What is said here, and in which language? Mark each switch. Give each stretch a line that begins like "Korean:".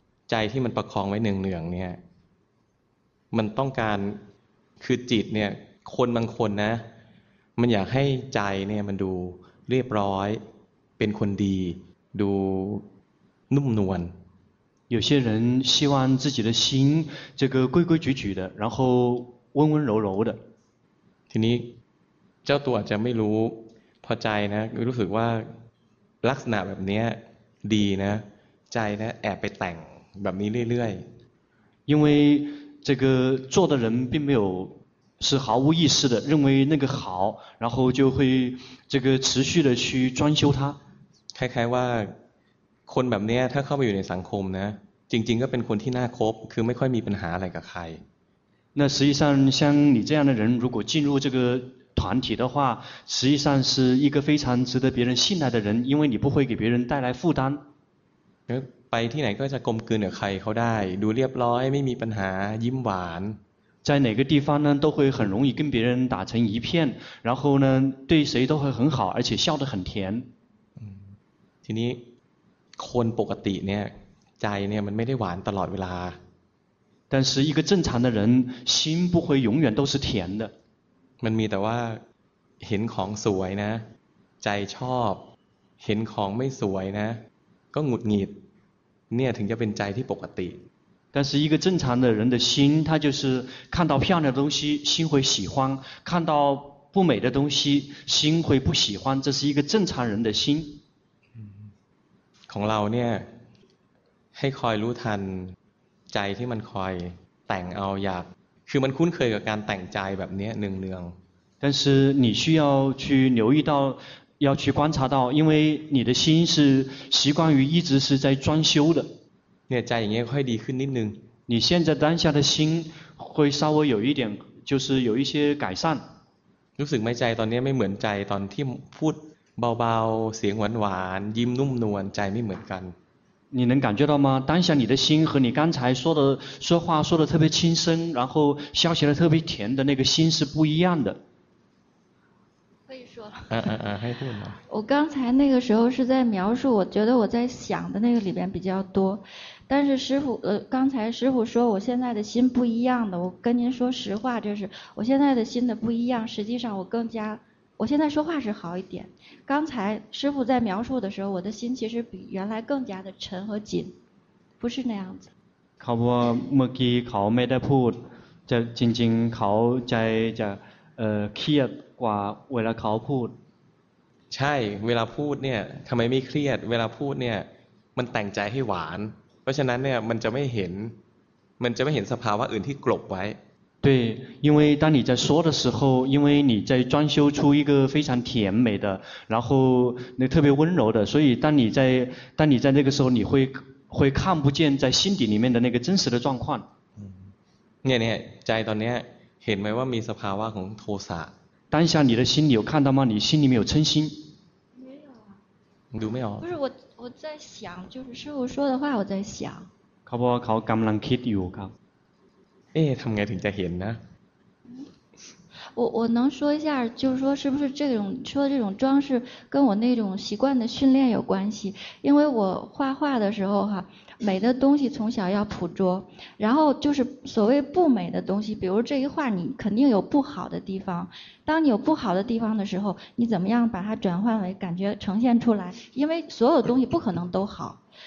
Thai: ใจที่มันประคองไว้เนืองๆเนี่ยมันต้องการคือจิตเนี่ยคนบางคนนะมันอยากให้ใจเนี่ยมันดูเรียบร้อยเป็นคนดีดูนุ่มนวล
Chinese: 有些人希望自己的心这个规规矩矩的然后温温柔柔的
Thai: ทีนี้เจ้าตัวจะไม่รู้พอใจนะรู้สึกว่าลักษณะแบบนี้ดีนะใจนะแอบไปแต่งแบบนี้เรื่อย
Chinese: ๆ因为这个做的人并没有是毫无意识的认为那个好然后就会这个持续的去专修它
Thai: คล้ายๆว่าคนแบบนี้ถ้าเข้าไปอยู่ในสังคมนะจริงๆก็เป็นคนที่น่าคบคือไม่ค่อยมีปัญหาอะไรกับใคร
Chinese: 那实际上像你这样的人如果进入这个团体的话实际上是一个非常值得别人信赖的人因为你不会给别人带来负担
Thai: ไปที่ไหนก็จะกลมกลืนกับใครเขาได้ดูเรียบร้อยไม่มีปัญหายิ้มหวาน
Chinese: 在哪个地方呢都会很容易跟别人打成一片然后呢对谁都会很好而且笑得很甜
Thai: ทีนี้คนปกติเนี่ยใจเนี่ยมันไม่ได้หวานตลอดเวลา
Chinese: 但是一个正常的人心不会永远都是甜的
Thai: มันมีแต่ว่าเห็นของสวยนะใจชอบเห็นของไม่สวยนะก็หงุดหงิดเนี่ยถึงจะเป็นใจที่ปกติ
Chinese: 但是一个正常的人的心他就是看到漂亮的东西心会喜欢看到不美的东西心会不喜欢这是一个正常人的心
Thai: ของเราเนี่ยให้คอยรู้ทันใจที่มันคอยแต่งเอาอยากคือมันคุ้นเคยกับการแต่งใจแบบนี้เนือง
Chinese: ๆ但是你需要去留意到要去观察到因为你的心是习惯于一直是在装修的
Thai: เนี่ยใจอย่างเงี้ยค่อยดีขึ้นนิดนึง
Chinese: 你现在当下的心会稍微有一点就是有一些改善
Thai: รู้สึกไหมใจตอนนี้ไม่เหมือนใจตอนที่พูดเบาๆเสียงหวานๆยิ้มนุ่มนวลใจไม่เหมือนกัน
Chinese: 你能感觉到吗当下你的心和你刚才说话说的特别轻声然后笑起来特别甜的那个心是不一样的可以说了嗯嗯嗯还对吗我刚才那个时候是在描述我觉得我在想的那个里边比较多但是师父刚才师父说我现在的心不一样的我跟您说实话就是我现在的心的不一样实际上我更加我现在说话是好一点刚才师父在描述的时候我的心其实比原来更加的沉和紧不是那样子
Thai: เขาบอกเมื่อกี้เขาไม่ได้พูด จะจริงๆเขาใจจะเครียดกว่าเวลาเขาพูด ใช่เวลาพูดเนี่ยทำไมไม่เครียดเวลาพูดเนี่ยมันแต่งใจให้หวานเพราะฉะนั้นเนี่ยมันจะไม่เห็นมันจะไม่เห็นสภาวะอื่นที่กลบไว้
Chinese: 对因为当你在说的时候因为你在装修出一个非常甜美的然后那特别温柔的所以当你在那个时候你会看不见在心底里面的那个真实的状况
Thai: เนี่ยใจตอนนี้เห็นไหมว่ามีสภาวะของโทสะ
Chinese: 当下你的心里有看到吗你心里面有嗔心
Thai: ดูไม่ออก
Chinese: 不是我在想就是师父说的话我在想
Thai: เขาบอกเขากำลังคิดอยู่ครับ เอ๊ะทำไงถึงจะเห็นนะ
Chinese: 我能说一下就是说是不是这种说这种装饰跟我那种习惯的训练有关系因为我画画的时候哈美的东西从小要捕捉然后就是所谓不美的东西比如这一画你肯定有不好的地方当你有不好的地方的时候你怎么样把它转换为感觉呈现出来因为所有东西不可能都好